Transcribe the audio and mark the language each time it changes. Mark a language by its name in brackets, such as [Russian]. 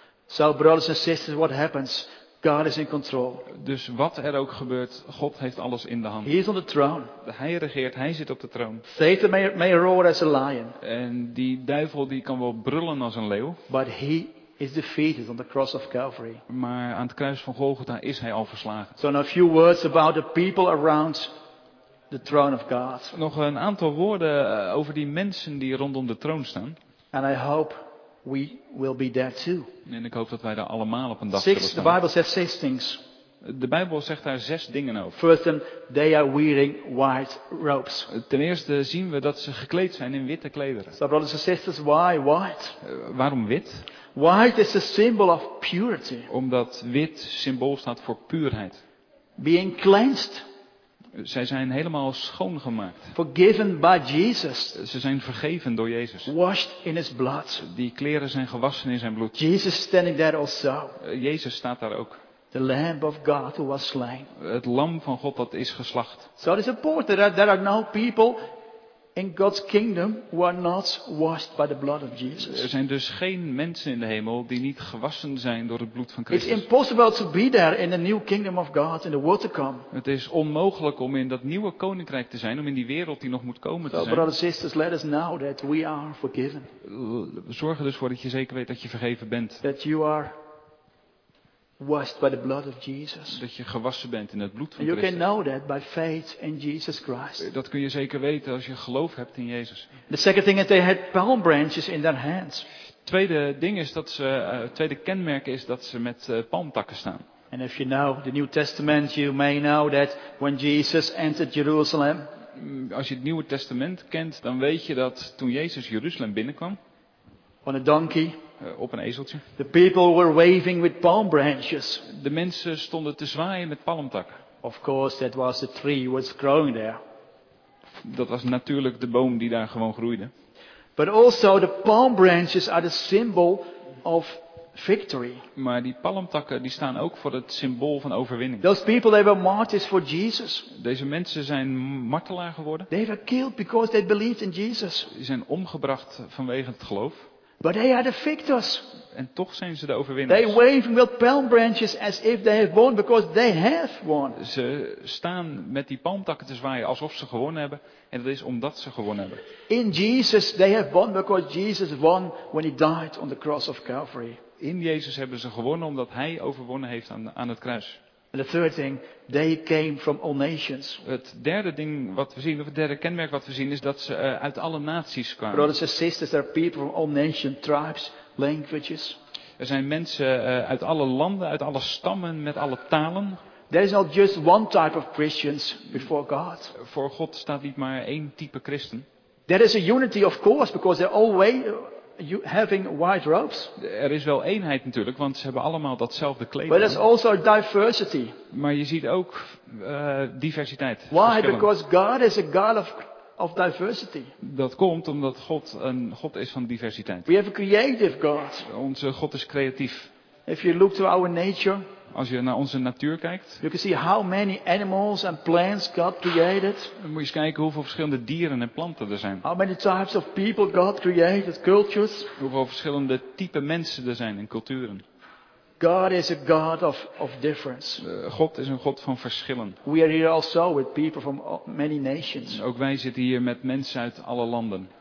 [English] So brothers and sisters, what happens? God is in control. [Dutch] Dus wat er ook gebeurt, God heeft alles in de hand. [English] He is on the throne. [Dutch] Hij regeert, hij zit op de troon. [English] Satan may roar as a lion. [Dutch] En die duivel die kan wel brullen als een leeuw. [English] But he is defeated on the cross of Calvary. [Dutch] Maar aan het kruis van Golgotha is hij al verslagen. [English] So now a few words about the people around the throne of God. [Dutch] Nog een aantal woorden over die mensen die rondom de troon staan. [English] And I hope we will be there too. [Dutch] En ik hoop dat wij daar allemaal op een dag zullen staan. [English] The Bible says six things. [Dutch] De Bijbel zegt daar zes dingen over. [English] First, they are wearing white robes. [Dutch] Ten eerste zien we dat ze gekleed zijn in witte klederen. [English] So brothers and sisters, why white? [Dutch] Waarom wit? [English] White is a symbol of purity. [Dutch] Omdat wit symbool staat voor puurheid. [English] Being cleansed. [Dutch] Zij zijn helemaal schoongemaakt. [English] Forgiven by Jesus. [Dutch] Ze zijn vergeven door Jezus. [English] Washed in his blood. [Dutch] Die kleren zijn gewassen in zijn bloed. [English] Jesus standing there also. [Dutch] Jezus staat daar ook. [English] The Lamb of God who was slain. [Dutch] Het lam van God dat is geslacht. [English] So it is important that there are no people in God's kingdom who are not washed by the blood of Jesus. [Dutch] Er zijn dus geen mensen in de hemel die niet gewassen zijn door het bloed van Christus. [English] It's impossible to be there in the new kingdom of God in the world to come. [Dutch] Het is onmogelijk om in dat nieuwe koninkrijk te zijn, om in die wereld die nog moet komen te zijn. [English] So, brothers and sisters, let us know that we are forgiven. [Dutch] Zorg er dus voor dat je zeker weet dat je vergeven bent. [English] That you are washed by the blood of Jesus. [Dutch] Dat je gewassen bent in het bloed van [English] you [Dutch] Christus. [English] Can know that by faith in Jesus Christ. [Dutch] Dat kun je zeker weten als je geloof hebt in Jezus. [English] The second thing is they had palm branches in their hands. [Dutch] Tweede ding is dat ze tweede kenmerk is dat ze met palmtakken staan. [English] And if you know the New Testament, you may know that when Jesus entered Jerusalem. [Dutch] Als je het Nieuwe Testament kent, dan weet je dat toen Jezus Jeruzalem binnenkwam. [English] On a donkey. [Dutch] Op een ezeltje. [English] The people were waving with palm branches. [Dutch] De mensen stonden te zwaaien met palmtakken. [English] Of course, that was the tree was growing there. [Dutch] dat was natuurlijk de boom die daar gewoon groeide. [English] But also the palm branches are the symbol of victory. [Dutch] Maar die palmtakken die staan ook voor het symbool van overwinning. [English] Those people, they were martyrs for Jesus. [Dutch] Deze mensen zijn martelaar geworden. [English] They were killed because they believed in Jesus. [Dutch] Ze zijn omgebracht vanwege het geloof. [English] But they are the victors. [Dutch] En toch zijn ze de overwinnaars. [English] They wave with palm branches as if they have won because they have won. [Dutch] Ze staan met die palmtakken te zwaaien alsof ze gewonnen hebben, en dat is omdat ze gewonnen hebben. [English] In Jesus they have won because Jesus won when he died on the cross of Calvary. [Dutch] In Jezus hebben ze gewonnen omdat hij overwonnen heeft aan het kruis. [English] And the third thing, they came from all nations. [Dutch] Het derde ding wat we zien, of het derde kenmerk wat we zien, is dat ze uit alle naties kwamen. [English] Brothers and sisters, there are people from all nations, tribes, languages. [Dutch] Er zijn mensen uit alle landen, uit alle stammen, met alle talen. [English] There is not just one type of Christians before God. [Dutch] Voor God staat niet maar één type christen. [English] There is a unity, of course, because they're all way. Having white robes. [Dutch] Er is wel eenheid natuurlijk, want ze hebben allemaal datzelfde kleding. [English] But there's also diversity. [Dutch] Maar je ziet ook diversiteit. [English] Why? Because God is a God of diversity. [Dutch] Dat komt omdat God een God is van diversiteit. [English] We have a creative God. [Dutch] Onze God is creatief. [English] If you look to our nature. [Dutch] Als je naar onze natuur kijkt. [English] You can see how many animals and plants God created. [Dutch] Dan moet je eens kijken hoeveel verschillende dieren en planten er zijn. [English] How many types of people God created, cultures. [Dutch] Hoeveel verschillende type mensen er zijn en culturen. [English] God is a God of difference. [Dutch] God is een God van verschillen. [English] We are here also with people from many nations. [Dutch] Ook wij zitten hier met mensen uit alle landen.